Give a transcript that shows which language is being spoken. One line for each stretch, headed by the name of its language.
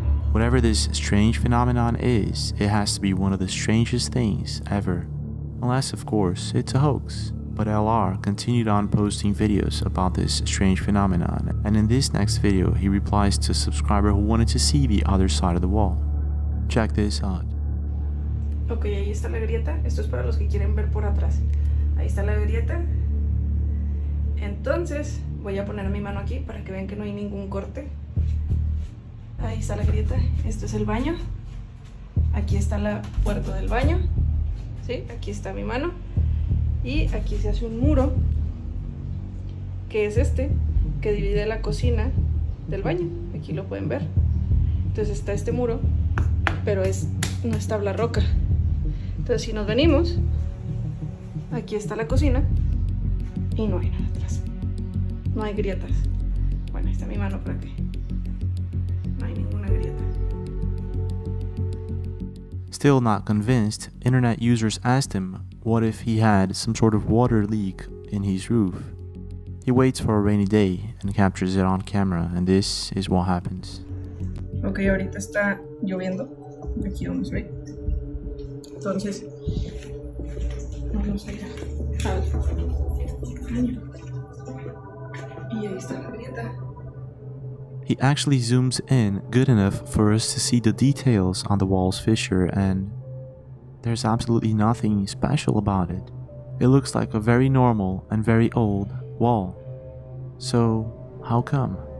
English: Whatever this strange phenomenon is, it has to be one of the strangest things ever. Unless, of course, it's a hoax. But LR continued on posting videos about this strange phenomenon, and in this next video, he replies to a subscriber who wanted to see the other side of the wall. Check this out.
Spanish: Okay, ahí está la grieta. Esto es para los que quieren ver por atrás. Ahí está la grieta. Entonces, voy a poner mi mano aquí para que vean que no hay ningún corte. Ahí está la grieta. Esto es el baño. Aquí está la puerta del baño. Sí, aquí está mi mano. Y aquí se hace un muro, que es este, que divide la cocina del baño. Aquí lo pueden ver. Entonces está este muro, pero es no es tabla roca. Entonces si nos venimos, aquí está la cocina y no hay nada atrás. No hay grietas. Bueno, ahí está mi mano para que no hay ninguna grieta.
English: Still not convinced, internet users asked him, what if he had some sort of water leak in his roof? He waits for a rainy day and captures it on camera, and this is what happens.
Spanish: Okay, ahorita está lloviendo. Aquí vamos a ver. Entonces, vamos allá. Y ahí está la grieta.
English: He actually zooms in good enough for us to see the details on the wall's fissure, and there's absolutely nothing special about it. It looks like a very normal and very old wall. So, how come?